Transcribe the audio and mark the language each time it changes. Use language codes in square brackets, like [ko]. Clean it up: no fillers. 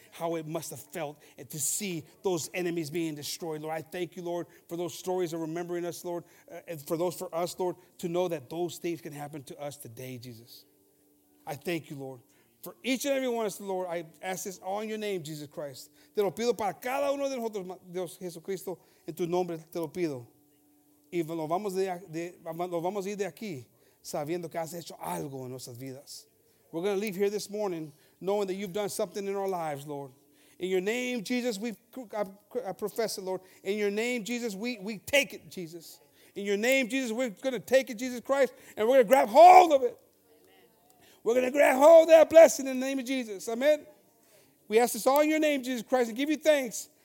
[en] How it must have felt and to see those enemies being destroyed, Lord. I thank you, Lord, for those stories of remembering us, Lord. And for those for us, Lord, to know that those things can happen to us today, Jesus. I thank you, Lord. For each and every one of us, Lord, I ask this all in your name, Jesus Christ. [es] Te lo pido para cada uno de nosotros, Dios Jesucristo, en tu nombre te lo pido. y nos vamos a ir de aquí sabiendo que has hecho algo en nuestras vidas. [en] We're going to leave here this morning knowing that you've done something in our lives, Lord. In your name, Jesus, I profess it, Lord. In your name, Jesus, we take it, Jesus. In your name, Jesus, we're going to take it, Jesus Christ, and we're going to grab hold of it. Amen. We're going to grab hold of that blessing in the name of Jesus. Amen. We ask this all in your name, Jesus Christ, and give you thanks.